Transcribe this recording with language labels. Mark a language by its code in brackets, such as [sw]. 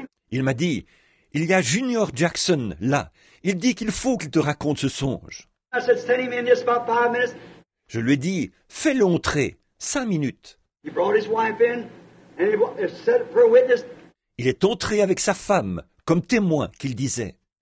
[fr] Il m'a dit, il y a Junior Jackson là. Il dit qu'il faut qu'il te raconte ce songe. [en] I said, send him in just about 5 minutes. [fr] Je lui ai dit, fais-le entrer, 5 minutes. [en] He brought his wife in and he said for a witness. [fr] Il est entré avec sa femme, comme témoin qu'il disait.